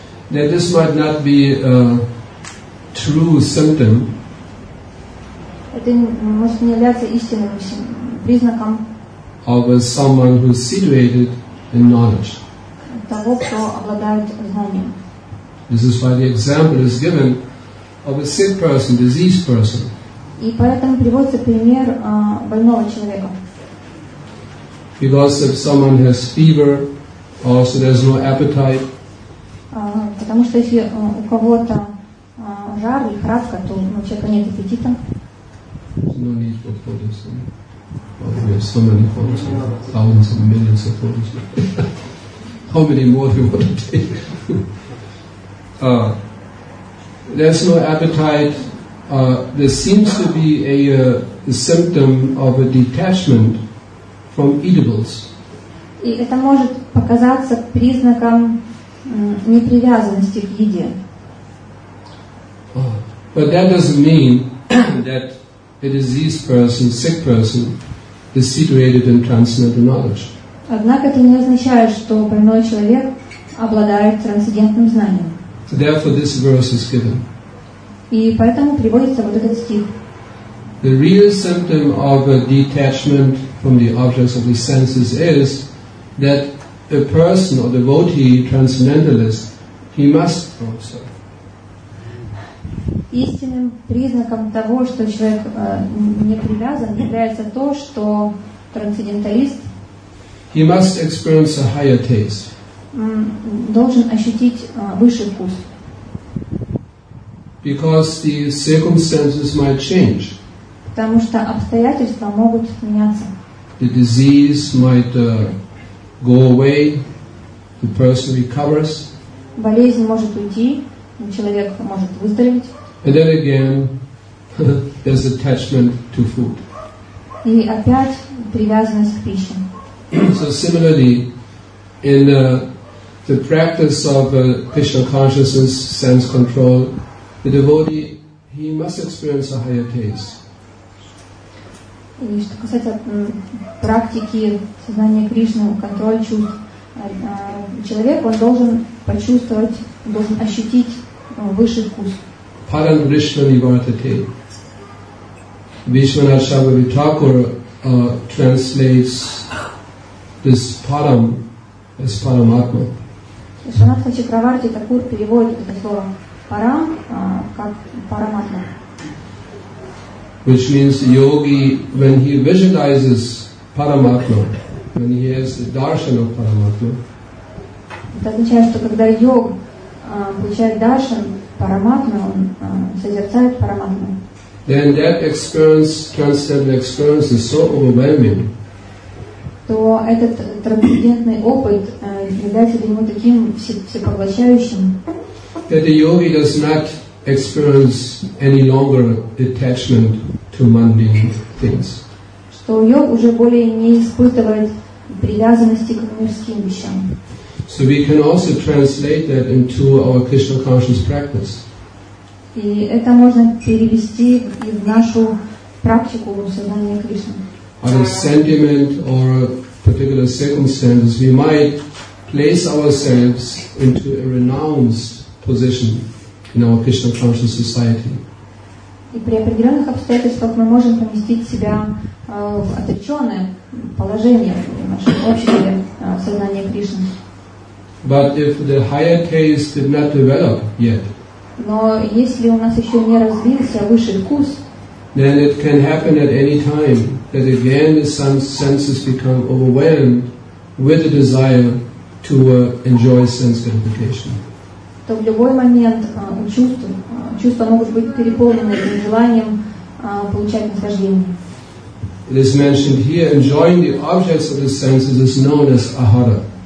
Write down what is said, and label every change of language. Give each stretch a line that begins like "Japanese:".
English: then this might not be a true symptom.
Russian: Это может не являться истинным признаком
English: of someone who is situated in knowledge.
Russian: Того, кто обладает знанием.
English: This is why the example is given of a sick person, diseased person.
Russian: И поэтому приводится пример больного человека.
English: Because if someone has fever, also there's no appetite.
Russian: Потому что если у кого-то жар или лихорадка, то у человека нет аппетита.
English: No need for photos. Oh, we have so many photos, thousands and millions of photos. How many more do you want to take? There's no appetite. There seems to be a symptom of a detachment from eatables.
Russian: И это может показаться признаком непривязанности к еде.
English: But that doesn't mean that a diseased person, sick person, is situated in transcendental knowledge.
Russian: Однако это не означает, что больной человек обладает трансцендентным знанием.
English: Therefore, this verse is given.
Russian: И поэтому приводится вот этот стих.
English: The real symptom of a detachment from the objects of the senses is that a person or devotee, transcendentalist, he must also.
Russian: Истинным признаком того, что человек не привязан, является то, что трансценденталист.
English: He must experience a higher taste.
Russian: Должен ощутить высший вкус.
English: because the circumstances might change.
Russian: Потому что обстоятельства могут меняться.
English: The disease might go away, the person recovers.
Russian: Болезнь может уйти, человек может выздороветь.
English: And then again, there's attachment to food.
Russian: И опять привязанность к пище.
English: So similarly, in the practice of Krishna consciousness, sense control, the devotee, he must experience a higher taste.
Russian: И что касается практики сознания Кришны, контроль чувств, человек, он должен почувствовать, должен ощутить высший вкус.
English: Param Vishnu Nivartate. Vishwanachamavi Thakur translates this param as paramatma.
Russian: Vishwanatha Chakravarti Thakur переводит это слово парам как параматма.
English: Which means the yogi, when he visualizes Paramatma, when he has the darshan of Paramatma,
Russian: it означает, что когда йог получает даршан Параматмы, он созерцает Параматму.
English: Then that experience, transcendental experience, is so overwhelming.
Russian: То этот трансцендентный опыт является для него таким всепоглощающим.
English: That the yogi does not experience any longer attachment to mundane things.
Russian: Что йог уже более не испытывает привязанности к мирским вещам.
English: So we can also translate that into our Krishna conscious practice.
Russian: И это можно перевести и в нашу практику сознания Кришны.
English: On a sentiment or a particular circumstances, we might place ourselves into a renounced position in our Krishna conscious society.
Russian: И при определенных обстоятельствах мы можем поместить себя в отреченное положение нашего общего сознания Кришны.
English: But if the higher taste did not develop yet,
Russian: но если у нас еще не развился высший вкус,
English: then it can happen at any time that again the senses become overwhelmed with the desire to enjoy sense gratification.
Russian: То в любой момент у чувств чувства могут быть переполнены желанием получать наслаждение.
English: It is mentioned here, enjoying the objects of the senses is known as ahara.